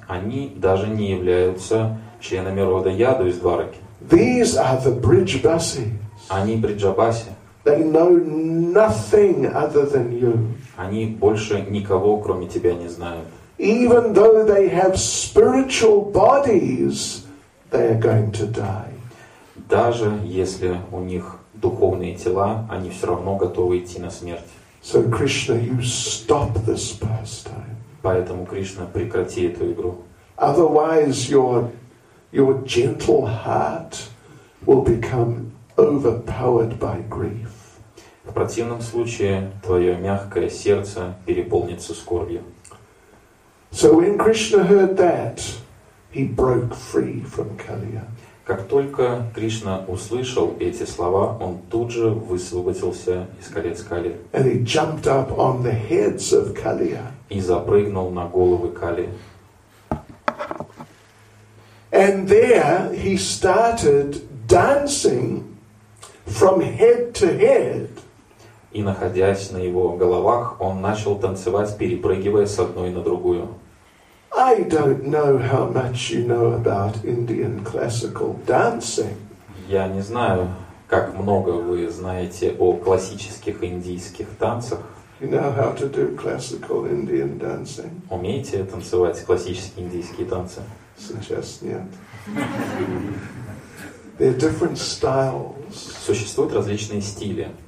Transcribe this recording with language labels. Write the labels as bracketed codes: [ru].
[ru] Они даже не являются членами рода Яду из Двараки. [en] These are the Бриджабасис. [ru] Они Бриджабаси. [en] They know nothing other than you. [ru] Они больше никого, кроме тебя, не знают. [en] Even though they have spiritual bodies, they are going to die. [ru] Даже если у них духовные тела, они все равно готовы идти на смерть. [en] So Krishna, you stop this pastime. [ru] Поэтому Кришна, прекрати эту игру. [en] Otherwise your gentle heart will become overpowered by grief. [ru] В противном случае твое мягкое сердце переполнится скорбью. [en] So when Krishna heard that, he broke free from Kaliya. [ru] Как только Кришна услышал эти слова, он тут же высвободился из колец Кали. [en] And he jumped up on the heads of Kaliya. [ru] И запрыгнул на головы Кали. [en] And there he started dancing from head to head. [ru] И находясь на его головах, он начал танцевать, перепрыгивая с одной на другую. [en] I don't know how much you know about Indian classical dancing. [ru] Я не знаю, как много вы знаете о классических индийских танцах. [en] You know how to do classical Indian dancing? [ru] Умеете танцевать классические индийские танцы? Сейчас нет. [en] There are different styles. [ru] Существуют различные стили.